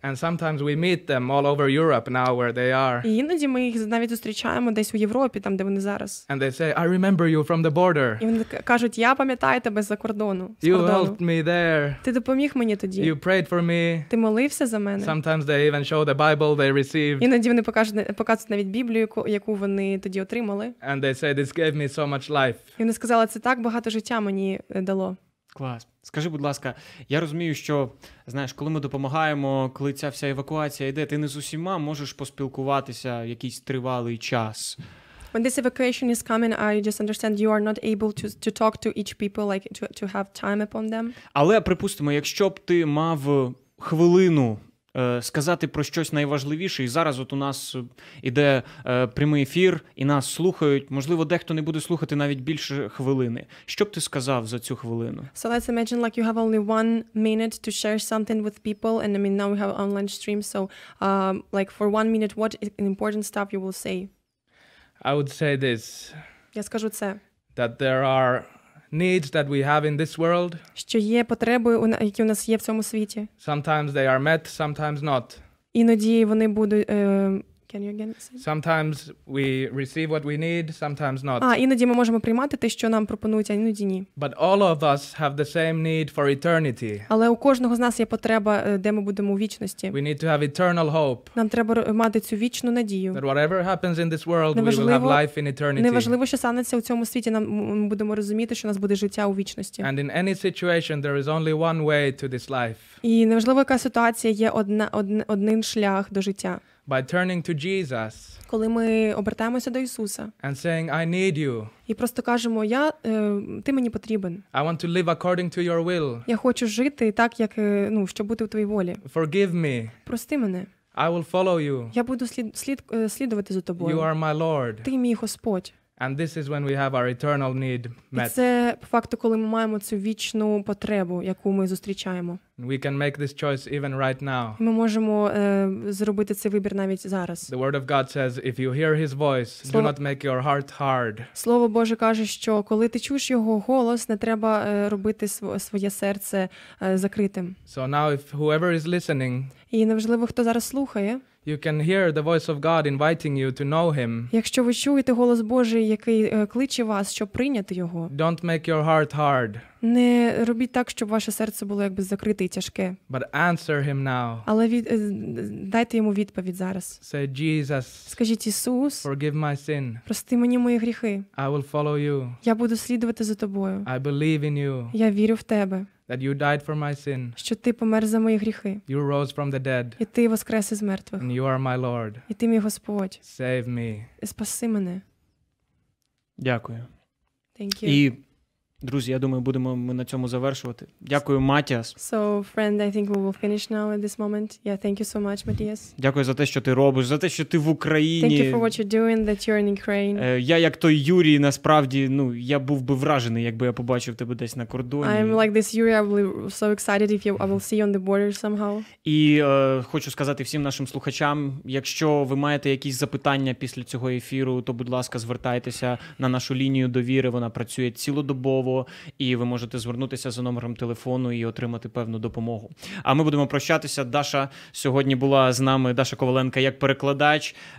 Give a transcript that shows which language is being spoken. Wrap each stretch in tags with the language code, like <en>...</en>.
<en>And sometimes we meet them all over Europe now where they are.</en> <uk>І іноді ми їх навіть зустрічаємо десь у Європі, там де вони зараз.</uk> <en>And they say, "I remember you from the border."</en> <uk>І вони кажуть: "Я пам'ятаю тебе з-за кордону."</uk> <en>You helped me there.</en> <uk>Ти допоміг мені тоді.</uk> <en>You prayed for me.</en> <uk>Ти молився за мене.</uk> <en>Sometimes they even show the Bible they received.</en> <uk>Іноді вони показують навіть Біблію, яку вони тоді отримали.</uk> <en>And they say, "This gave me so much life."</en> <uk>І вони сказали: "Це так багато життя мені дало." Клас. Скажи, будь ласка, я розумію, що, знаєш, коли ми допомагаємо, коли ця вся евакуація йде, ти не з усіма можеш поспілкуватися якийсь тривалий час.</uk> <en>When this evacuation is coming, I just understand you are not able to talk to each people, like to have time upon them.</en> <uk>Але, припустимо, якщо б ти мав хвилину сказати про щось найважливіше, і зараз от у нас іде прямий ефір, і нас слухають, можливо, дехто не буде слухати навіть більше хвилини. Що б ти сказав за цю хвилину?</uk> <en>So let's imagine like you have only one minute to share something with people, and I mean now we have online stream, so like for one minute, what important stuff you will say? I would say this.</en> <uk>Я скажу це.</uk> <en>That there are needs that we have in this world.</en> <uk>Що є потреби, які у нас є в цьому світі.</uk> <en>Sometimes they are met, sometimes not.</en> <uk>Іноді вони будуть</uk> <en>can you again say? Sometimes we receive what we need, sometimes not.</en> <uk>А іноді ми можемо приймати те, що нам пропонують, а іноді ні.</uk> <en>But all of us have the same need for eternity.</en> <uk>Але у кожного з нас є потреба, де ми будемо у вічності.</uk> <en>We need to have eternal hope.</en> <uk>Нам треба мати цю вічну надію.</uk> <en>That whatever happens in this world, we will have life in eternity.</en> <uk>Неважливо, що станеться у цьому світі, нам ми будемо розуміти, що у нас буде життя у вічності.</uk> <en>And in any situation there is only one way to this life.</en> <uk>І неважливо, яка ситуація, є один шлях до життя.</uk> <en>By turning to Jesus.</en> <uk>Коли ми обертаємося до Ісуса.</uk> <en>And saying, "I need you."</en> <uk>І просто кажемо: "Я ти мені потрібен."</uk> <en>I want to live according to your will.</en> <uk>Я хочу жити так, як, ну, щоб бути в твоїй волі.</uk> <en>Forgive me.</en> <uk>Прости мене.</uk> <en>I will follow you.</en> <uk>Я буду слідувати за тобою.</uk> <en>You are my Lord.</en> <uk>Ти мій Господь.</uk> <en>And this is when we have our eternal need met.</en> <uk>І це по факту, коли ми маємо цю вічну потребу, яку ми зустрічаємо.</uk> <en>We can make this choice even right now.</en> <uk>Ми можемо зробити цей вибір навіть зараз.</uk> <en>The word of God says, if you hear his voice, do not make your heart hard.</en> <uk>Слово Боже каже, що коли ти чуєш його голос, не треба робити своє серце закритим.</uk> <en>So now if whoever is listening,</en> <uk>і неважливо, хто зараз слухає,</uk> <en>You can hear the voice of God inviting you to know him.</en> <uk>Якщо ви чуєте голос Божий, який кличе вас, щоб прийняти його.</uk> <en>Don't make your heart hard.</en> <uk>Не робіть так, щоб ваше серце було якби закрите і тяжке.</uk> <en>But answer him now.</en> <uk>Але дайте йому відповідь зараз.</uk> <en>Say Jesus.</en> <uk>Скажіть Ісус.</uk> <en>Forgive my sin.</en> <uk>Прости мені мої гріхи.</uk> <en>I will follow you.</en> <uk>Я буду слідувати за тобою.</uk> <en>I believe in you.</en> <uk>Я вірю в тебе.</uk> <en>That you died for my sin.</en> <uk>Що ти помер за мої гріхи.</uk> <en>You rose from the dead.</en> <uk>І ти воскрес із мертвих.</uk> <en>And you are my Lord.</en> <uk>І ти мій Господь.</uk> <en>Save me.</en> <uk>Спаси мене. Дякую.</uk> <en>Thank you.</en> <uk>І, друзі, я думаю, будемо ми на цьому завершувати. Дякую, Матіас.</uk> <en>So, friend, I think we will finish now at this moment. Yeah, thank you so much, Matthias.</en> <uk>Дякую за те, що ти робиш, за те, що ти в Україні.</uk> <en>Thank you for what you're doing, that you're in Ukraine.</en> <uk>Я як той Юрій, насправді, ну, я був би вражений, якби я побачив тебе десь на кордоні.</uk> <en>I'm like this Yuri, I'm so excited if you, I will see you on the border somehow.</en> <uk>І хочу сказати всім нашим слухачам, якщо ви маєте якісь запитання після цього ефіру, то, будь ласка, звертайтеся на нашу лінію довіри, вона працює цілодобово. І ви можете звернутися за номером телефону і отримати певну допомогу. А ми будемо прощатися. Даша сьогодні була з нами, Даша Коваленко, як перекладач.</uk>